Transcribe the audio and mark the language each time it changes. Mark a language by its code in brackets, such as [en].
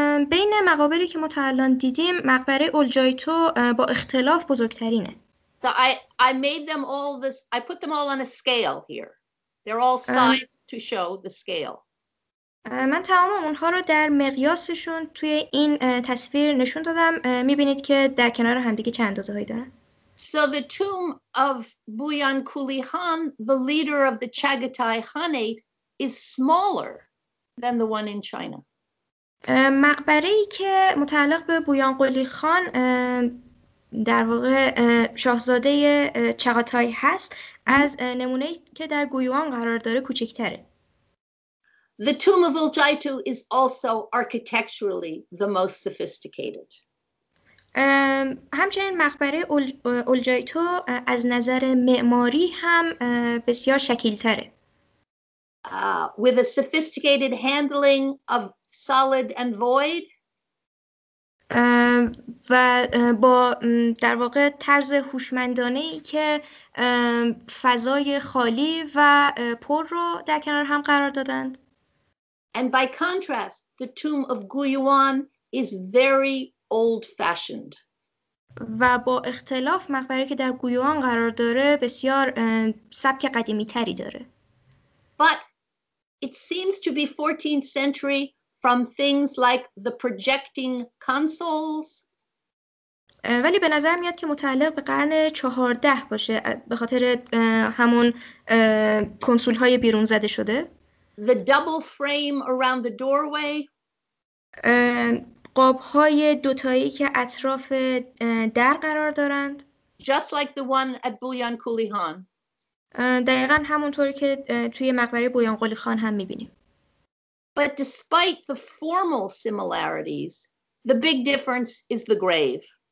[fa] بین مقابری که ما تا الان دیدیم مقبره اولجایتو با اختلاف بزرگترینه. [en] So I made them all this, I put them all on a scale here. They're all sized to show the scale. [fa] من تمام اونها رو در مقیاسشون توی این تصویر نشون دادم. میبینید که در کنار هم دیگه چه اندازه هایی دارن. [en] So the tomb of Buyan Kuli Khan, the leader of the Chagatai Khanate, is smaller than the one in China. [fa] مقبره‌ای که متعلق به بویان قلی خان در واقع شاهزاده چغاتای هست از نمونه‌ای که در گویوان قرار داره کوچکتره. [en] The tomb of Uljaitu is also architecturally the most sophisticated. [fa] همچنین مقبره اولجایتو از نظر معماری هم بسیار شکیل‌تره. [en] With a sophisticated handling of solid and void. [fa] و با در واقع طرز هوشمندانه‌ای که فضای خالی و پر رو در کنار هم قرار دادند. [en] And by contrast, the tomb of Guyuan is very old-fashioned. [fa] و با اختلاف مقبره که در گویوان قرار داره بسیار سبک قدیمی تری داره. [en] But it seems to be 14th century from things like the projecting consoles. [fa] ولی به نظر میاد که متعلق به قرن 14 باشه به خاطر همون کنسول های بیرون زده شده. [en] The double frame around the doorway. [fa] قاب‌های دوتایی که اطراف در قرار دارند. [en] Just like the one at Buyan Kuli Khan. [fa] دقیقاً همونطوری که توی مقبره بویان قلی خان هم می‌بینیم. [en] But despite the formal similarities, the big difference is the grave.